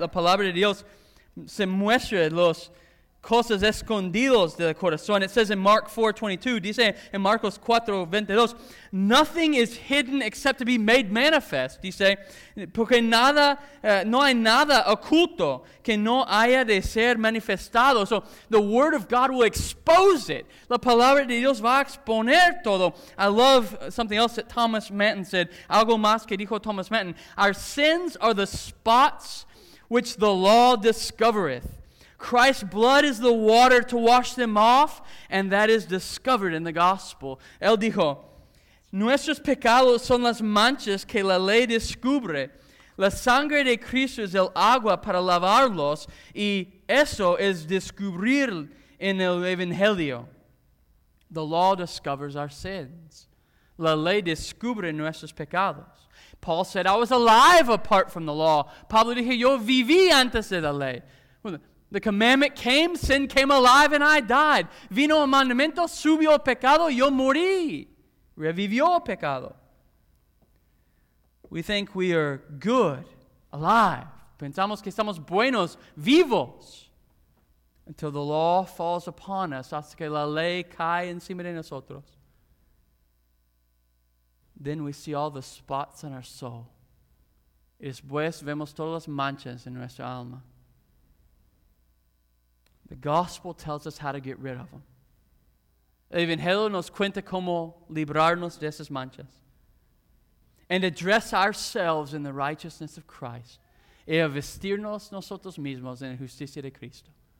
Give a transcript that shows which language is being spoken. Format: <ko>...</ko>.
<es>La palabra de Dios se muestra los cosas escondidos del corazón.</es> <en>It says in Mark 4:22,</en> <es>dice en Marcos 4:22,</es> <en>nothing is hidden except to be made manifest.</en> <es>Dice, porque nada, no hay nada oculto que no haya de ser manifestado.</es> <en>So the Word of God will expose it.</en> <es>La palabra de Dios va a exponer todo.</es> <en>I love something else that Thomas Manton said.</en> <es>Algo más que dijo Thomas Manton.</es> <en>Our sins are the spots which the law discovereth. Christ's blood is the water to wash them off, and that is discovered in the gospel.</en> <es>Él dijo, nuestros pecados son las manchas que la ley descubre. La sangre de Cristo es el agua para lavarlos, y eso es descubrir en el Evangelio.</es> <en>The law discovers our sins.</en> <es>La ley descubre nuestros pecados.</es> <en>Paul said, I was alive apart from the law.</en> <es>Pablo dijo, yo viví antes de la ley.</es> <en>The commandment came, sin came alive, and I died.</en> <es>Vino el mandamiento, subió el pecado, yo morí. Revivió el pecado.</es> <en>We think we are good, alive.</en> <es>Pensamos que estamos buenos, vivos.</es> <en>Until the law falls upon us,</en> <es>hasta que la ley cae encima de nosotros.</es> <en>Then we see all the spots in our soul.</en> <es>Y después vemos todas las manchas en nuestra alma.</es> <en>The gospel tells us how to get rid of them.</en> <es>El Evangelio nos cuenta cómo librarnos de esas manchas.</es> <en>And address ourselves in the righteousness of Christ.</en> <es>Y vestirnos nosotros mismos en la justicia de Cristo.</es>